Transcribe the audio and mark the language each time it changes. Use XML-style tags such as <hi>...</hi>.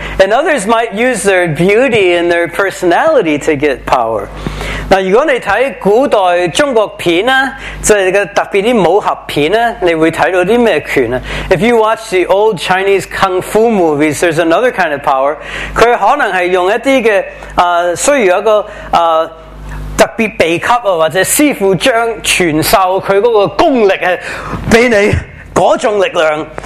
<en>And others might use their beauty and their personality to get power.</en> <yue>如果你睇古代中国片啊，即系个特别啲武侠片啊，你会睇到啲咩权啊？</yue> <en>If you watch the old Chinese kung fu movies, there's another kind of power.</en> <yue>佢可能系用一啲嘅需要一个特别秘笈啊，或者师傅将传授佢嗰个功力啊，俾你嗰种力量。</yue>